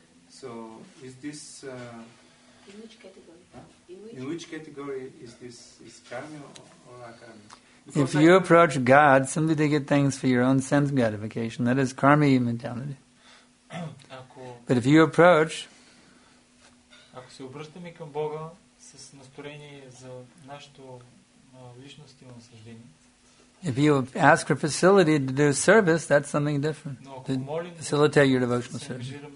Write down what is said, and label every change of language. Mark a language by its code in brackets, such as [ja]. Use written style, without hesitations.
[en] So, is this... In which category is this karma or akarma? If you approach God simply to get things for your own sense gratification, that is karma mentality. But if you approach... [bg] Ако се обръщаме към Бога с настроение за нашето личностно насъждение... [en] If you ask for facility to do service, that's something different. To facilitate your devotional service.